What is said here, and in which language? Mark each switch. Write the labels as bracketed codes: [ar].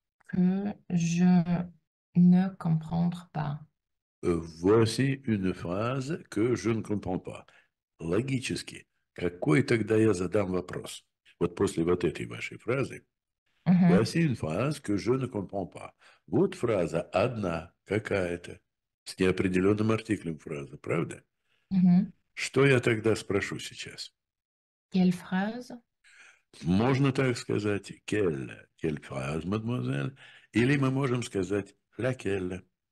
[fr] Que je ne comprendre pas. Voici une phrase que je ne comprends pas. [ru] Логически. Какой тогда я задам вопрос? Вот после вот этой вашей фразы. [fr] Voici une phrase que je ne comprends pas. [ru] Вот фраза одна, какая-то, с неопределенным артиклем фраза, правда? Что я тогда спрошу сейчас? [fr] Quelle phrase? [ru] Можно так сказать, [fr] quelle phrase, mademoiselle, [ru] или мы можем сказать laquelle.